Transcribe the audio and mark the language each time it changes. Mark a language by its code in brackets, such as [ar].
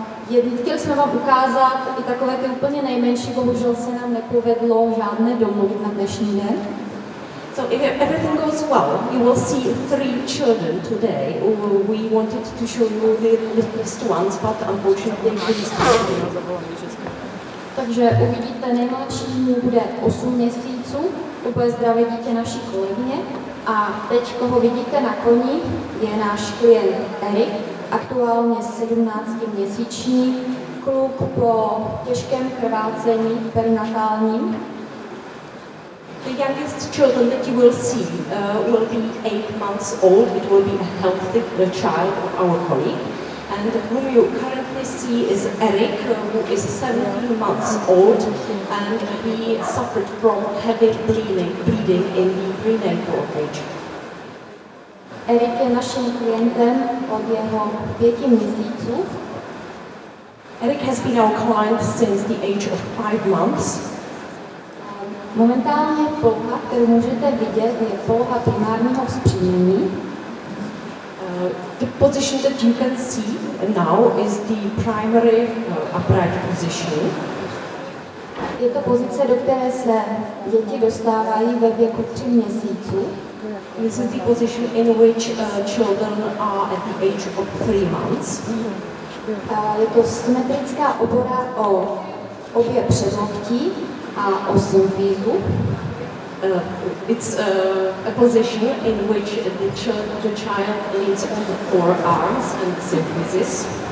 [cs] chtěli jsme vám ukázat i takové ty úplně nejmenší, bohužel se nám nepovedlo žádné domluvit na dnešní den. [en] So if everything goes well, you will see three children today. We wanted to show you the littlest ones, but unfortunately, they didn't come here. [cs] Takže uvidíte, nejmladší mu bude 8 měsíců, úplně zdravé dítě naší kolegyně. A teď, koho vidíte na koni, je náš klient Erik, aktuálně 17-měsíční kluk po těžkém krvácení perinatálním. [en] The youngest children that you will see will be 8 months old. It will be a healthy child of our colleague. And whom you currently see is Eric, who is 17 months old, and he suffered from heavy bleeding in the prenatal stage. [cs] Eric je naším klientem od jeho 5 měsíců. [en] Eric has been our client since the age of 5 months. [cs] Momentálně poloha, kterou můžete vidět, je poloha primárního vzpřímění. [en] The position that you can see now is the primary upright position. [cs] Je to pozice, do které se děti dostávají ve věku 3 měsíců. [en] This is the position in which children are at the age of 3 months. [cs] Je to symetrická opora o obě předloktí a osm výhů. [en] It's a position in which the child leans on the forearms and the symphysis.